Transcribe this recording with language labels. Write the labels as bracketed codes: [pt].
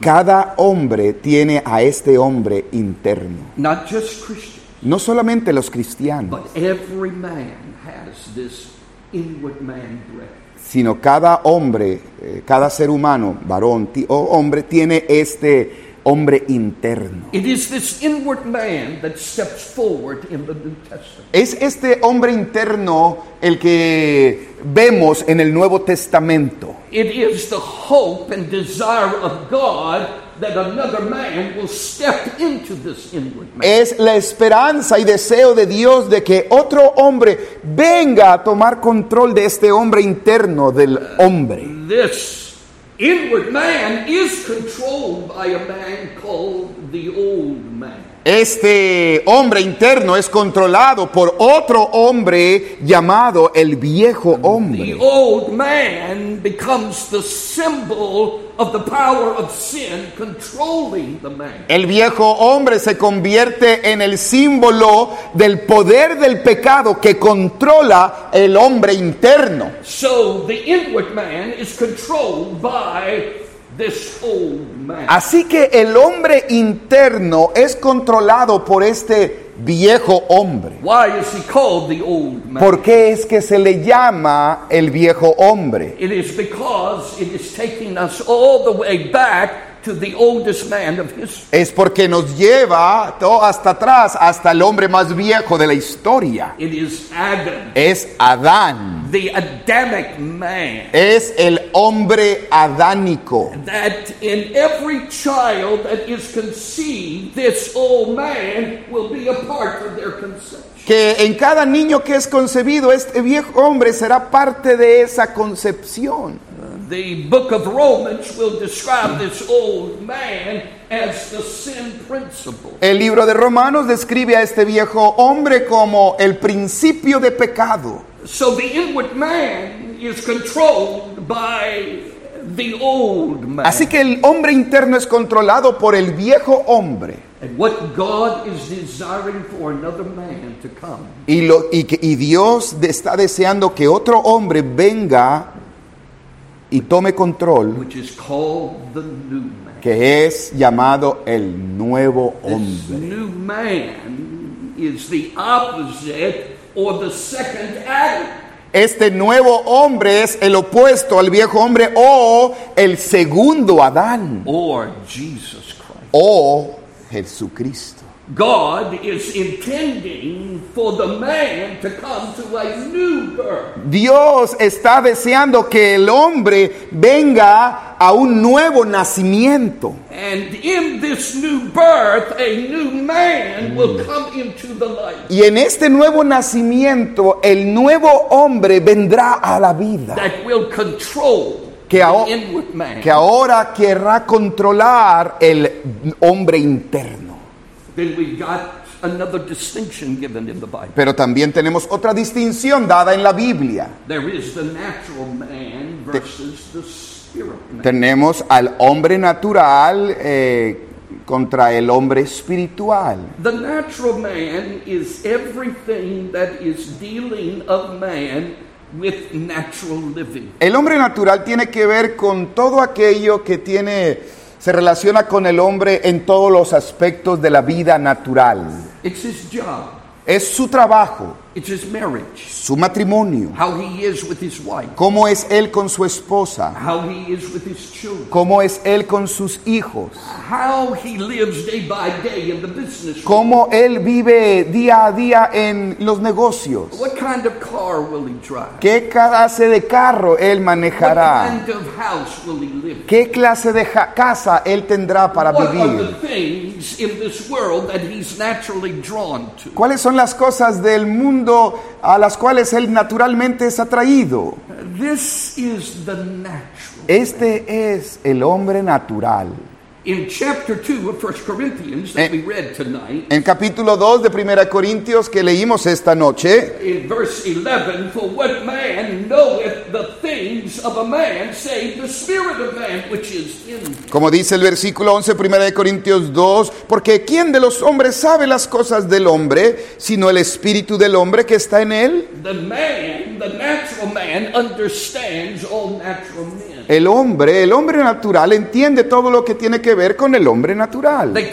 [es] Cada hombre tiene a este hombre interno. [en] Not just Christians. [es] No solamente los cristianos. [en] But every man has this inward man breath. [es] Sino cada hombre, cada ser humano, varón o hombre, tiene este hombre interno. [en] It is this inward man that steps forward in the New Testament. [es] Es este hombre interno el que vemos en el Nuevo Testamento. [en] It is the hope and desire of God that another man will step into this inward man. [es] Es la esperanza y deseo de Dios de que otro hombre venga a tomar control de este hombre interno del hombre. [en] This inward man is controlled by a man called the old man. [es] Este hombre interno es controlado por otro hombre llamado el viejo hombre. [en] The old man becomes the symbol of the power of sin controlling the man. [es] El viejo hombre se convierte en el símbolo del poder del pecado que controla el hombre interno. [en] So the inward man is controlled by this old man. [es] Así que el hombre interno es controlado por este viejo hombre. [en] Why is he called the old man? [es] ¿Por qué es que se le llama el viejo hombre? [en] It is because it is taking us all the way back to the oldest man of history. [es] Es porque nos lleva todo hasta atrás, hasta el hombre más viejo de la historia. [en] It is Adam. [es] Es Adán. [en] The Adamic man. [es] Es el hombre adánico. [en] That in every child that is conceived, this old man will be a part of their conception. [es] Que en cada niño que es concebido, este viejo hombre será parte de esa concepción. [en] The book of Romans will describe this old man as the sin principle. [es] El libro de Romanos describe a este viejo hombre como el principio de pecado. [en] So the inward man is controlled by the old man. [es] Así que el hombre interno es controlado por el viejo hombre. [en] And what God is desiring for another man to come. [es] Y Dios está deseando que otro hombre venga y tome control. [en] Which is called the new man. [es] Que es llamado el nuevo hombre. [en] This new man is the opposite or the second Adam. [es] Este nuevo hombre es el opuesto al viejo hombre o el segundo Adán. [en] Or Jesus Christ. [es] O Jesucristo. [en] God is intending for the man to come to a new birth. [es] Dios está deseando que el hombre venga a un nuevo nacimiento. [en] And in this new birth, a new man will come into the light. [es] Y en este nuevo nacimiento, el nuevo hombre vendrá a la vida. [en] That will control. [es] Que ahora querrá controlar el hombre interno. [en] Then we've got another distinction given in the Bible. [es] Pero también tenemos otra distinción dada en la Biblia. [en] There is the natural man versus the spirit man. [es] Tenemos al hombre natural contra el hombre espiritual. [en] The natural man is everything that is dealing of man with natural living. [es] El hombre natural tiene que ver con todo aquello que tiene, se relaciona con el hombre en todos los aspectos de la vida natural. [en] It's his job. [es] Es su trabajo. [en] It's his marriage. [es] Su matrimonio. [en] How he is with his wife. [es] Cómo es él con su esposa. [en] How he is with his children. [es] Cómo es él con sus hijos. [en] How he lives day by day in the business. [es] Cómo él vive día a día en los negocios. [en] What kind of car will he drive? [es] ¿Qué clase de carro él manejará? [en] What kind of house will he live? [es] ¿Qué clase de casa él tendrá para [en] what [es] vivir? [en] Are the things in this world that he's naturally drawn to? [es] ¿Cuáles son las cosas del mundo a las cuales él naturalmente es atraído? [en] This is the natural. [es] Este es el hombre natural. [en] In chapter 2 of 1 Corinthians that we read tonight. [es] En capítulo 2 de 1 Corintios que leímos esta noche. [en] In verse 11, for what man knoweth the things of a man save the spirit of man which is in him? [es] Como dice el versículo 11, 1 Corintios 2, porque ¿quién de los hombres sabe las cosas del hombre sino el espíritu del hombre que está en él? [en] The man, the natural man understands all natural men. [es] El hombre natural entiende todo lo que tiene que ver con el hombre natural.